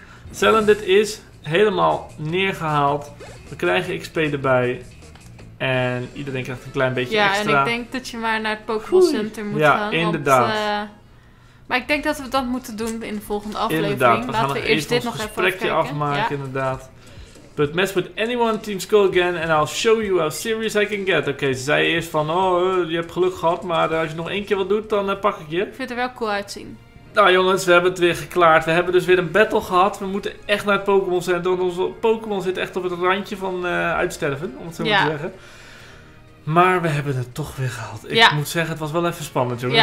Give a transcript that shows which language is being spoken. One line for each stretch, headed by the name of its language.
Dutch: Zelfs dit is helemaal neergehaald. We krijgen XP erbij. En iedereen krijgt een klein beetje extra. Ja, en ik denk dat je maar naar het Pokémon Center moet gaan. Ja, inderdaad. Maar ik denk dat we dat moeten doen in de volgende aflevering. Inderdaad, we laten gaan we eerst dit nog gesprekje afmaken, ja. Inderdaad.
English: But mess with anyone, Team Skull again, and I'll show you how serious I can get.
Dutch: Oké, ze zei eerst van, je hebt geluk gehad, maar als je nog één keer wat doet, dan pak ik je. Ik vind het er wel cool uitzien. Nou jongens, we hebben het weer geklaard. We hebben dus weer een battle gehad. We moeten echt naar het Pokémon Center. Want onze Pokémon zit echt op het randje van uitsterven, om het zo maar te zeggen. Maar we hebben het toch weer gehaald. Ik moet zeggen, het was wel even spannend, jongens.